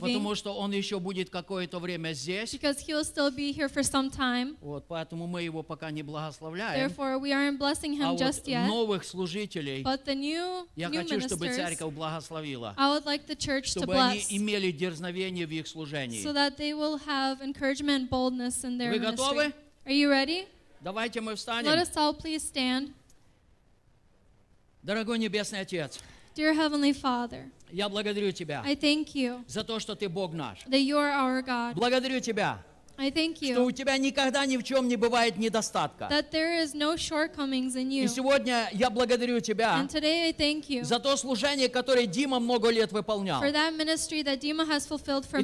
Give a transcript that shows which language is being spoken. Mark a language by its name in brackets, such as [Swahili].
[Russian] Потому что он еще будет какое-то время здесь. [English] Because he'll still be here for some time. [Russian] Вот, поэтому мы его пока не благословляем. [English] Therefore, we aren't blessing him just yet. [Russian] А вот новых служителей, [English] but the new, [Russian] я [English] new [Russian] хочу, [English] ministers, [Russian] чтобы церковь благословила. [English] I would like the church to [Russian] Чтобы они имели дерзновение в их служении. [English] So that they will have encouragement and boldness in their [Russian] вы [English] ministry. [Russian] Вы готовы? [English] Are you ready? [Russian] Давайте мы встанем. [English] Let us all please stand. [Russian] Дорогой Небесный Отец, [English] dear Heavenly Father, [Russian] я благодарю Тебя [English] I thank you [Russian] за то, что Ты Бог наш. [English] That you are our God. [Russian] Благодарю Тебя, [English] I thank you [Russian] что у Тебя никогда ни в чем не бывает недостатка. [English] That there is no shortcomings in you. [Russian] И сегодня я благодарю Тебя [English] and today I thank you [Russian] за то служение, которое Дима много лет выполнял. [English] For that ministry that Dima has fulfilled for